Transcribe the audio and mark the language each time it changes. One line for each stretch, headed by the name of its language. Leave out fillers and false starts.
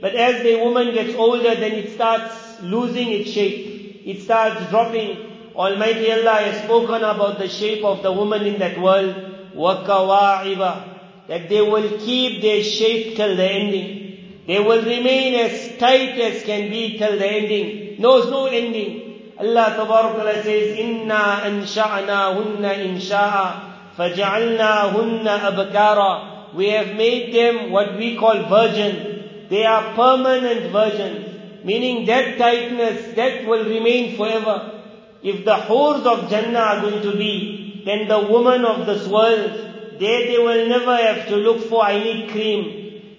English: But as the woman gets older, then it starts losing its shape. It starts dropping. Almighty Allah has spoken about the shape of the woman in that world, وَكَوَاعِبَ, that they will keep their shape till the ending. They will remain as tight as can be till the ending. No, there's no ending. Allah Tabarakallah says,
Arabic: إِنَّا أَنْشَأْنَا هُنَّ إِنْشَاءَ فَجَعَلْنَا هُنَّ أَبْكَارًا.
English: We have made them what we call virgin. They are permanent virgins, meaning that tightness, that will remain forever. If the hurs of Jannah are going to be, then the women of this world, there they will never have to look for, I need cream.